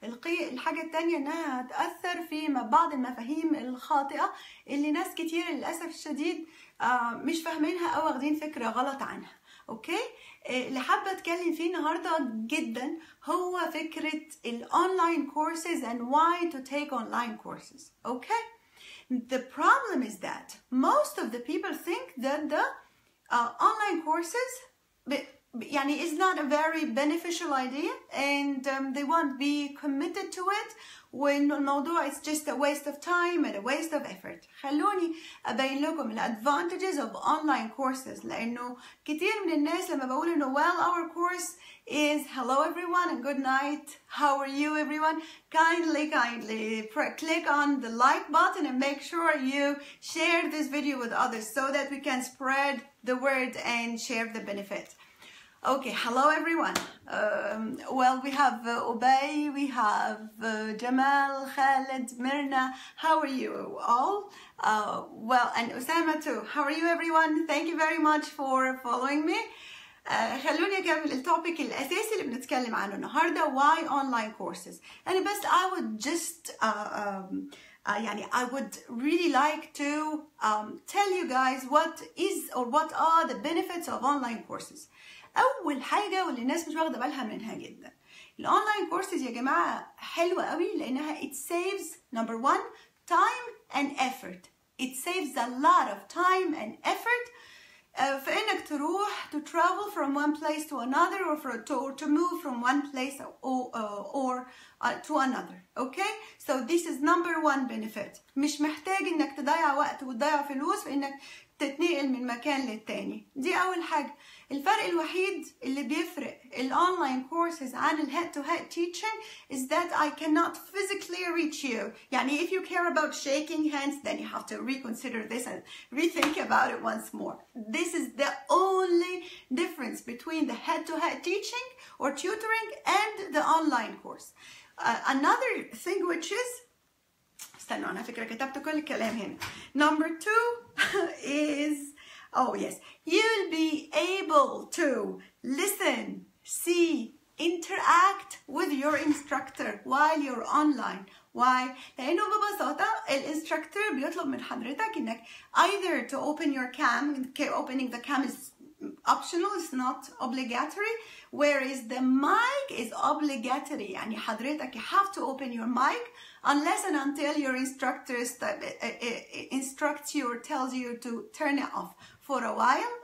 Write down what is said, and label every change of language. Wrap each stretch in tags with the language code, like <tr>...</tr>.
<ar>الحاجة الثانية إنها هتأثر في بعض المفاهيم الخاطئة اللي ناس كتير للأسف الشديد مش فاهمينها أو واخدين فكرة غلط عنها. أوكي؟ اللي حابة أتكلم فيه النهاردة جدا هو فكرة الأونلاين كورسز</ar> <en>and why to take online courses. Okay? The problem is that most of the people think that the online courses يعني is not a very beneficial idea and they won't be committed to it when الموضوع is just a waste of time and a waste of effort.</en> <ar>خلوني أبين لكم الـ</ar> <en>advantages of online courses,</en> <ar>لأنه كتير من الناس لما بقول إنه</ar> <en>well our course is hello everyone and good night, how are you everyone, kindly click on the like button and make sure you share this video with others so that we can spread the word and share the benefit. Okay, hello everyone. Well, we have Ubay, we have Jamal, Khaled, Mirna. How are you all? Well, and Usama too. How are you everyone? Thank you very much for following me.</en> <ar>خلوني أكمل التوبيك الأساسي اللي بنتكلم عنه النهاردة.</ar> <en>Why online courses? And best I would just يعني I would really like to tell you guys what is or what are the benefits of online courses.</en> <ar>أول حاجة واللي الناس مش واخدة بالها منها جدا, الأونلاين كورسز يا جماعة حلوة قوي لأنها</ar> <en>it saves number one time and effort. It saves a lot of time and effort</en> <ar>في إنك تروح</ar> <en>to travel from one place to another or to move from one place or to another. Okay, so this is number one benefit.</en> <ar>مش محتاج إنك تضيع وقت وتضيع فلوس في إنك تتنقل من مكان للتاني. دي أول حاجة. الفرق الوحيد اللي بيفرق</ar> <en>الأونلاين كورسز عن الهيد to head teaching is that I cannot physically reach you. يعني if you care about shaking hands then you have to reconsider this and rethink about it once more. This is the only difference between the head to head teaching or tutoring and the online course. Another thing which is</en> <ar>استنوا انا فكرة كتبت كل الكلام هنا.</ar> <en>Number two is oh yes, you'll be able to listen, see, interact with your instructor while you're online. Why?</en> <ar>لأنه ببساطة الانستركتور بيطلب من حضرتك إنك</ar> <en>either to open your cam. Opening the cam is optional, it's not obligatory, whereas the mic is obligatory.</en> <ar>يعني حضرتك</ar> <en>you have to open your mic unless and until your instructor instructs you or tells you to turn it off for a while.</en>